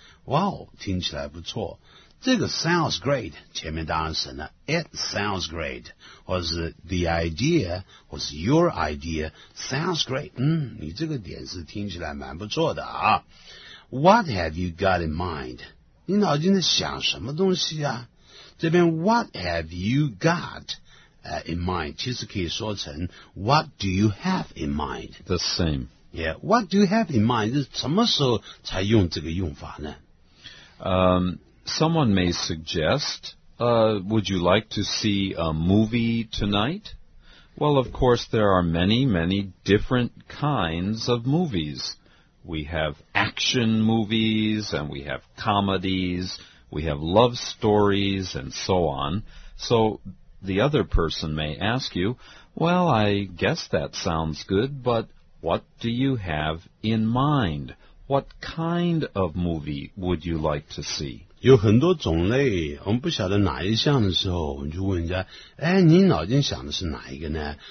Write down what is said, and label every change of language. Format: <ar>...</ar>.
<zh>Wow, 听起来不错这个</zh> <en>sounds great,</en> <zh>前面当然省了</zh> <en>It sounds great,</en> <zh>或者是</zh> <en>the idea,</en> <zh>或是</zh> <en>your idea,</en> <zh>sounds great 你这个点是听起来蛮不错的啊</zh> <en>What have you got in mind?</en> <zh>你脑筋在想什么东西啊这边</zh> <en>what have you got? In mind,</en> <zh>其实可以说成</zh> <en>What do you have in mind? The same. Yeah, what do you have in mind?</en> <zh>是什么时候才用这个用法呢？</zh> <en>Someone may suggest, would you like to see a movie tonight? Well, of course, there are many, many different kinds of movies. We have action movies, and we have comedies, we have love stories, and so on. So,The other person may ask you, well, I guess that sounds good, but what do you have in mind? What kind of movie would you like to see?</en> <zh>有很多种类，我们不晓得哪一项的时候，我们就问人家，哎，你脑筋想的是哪一个呢？</zh>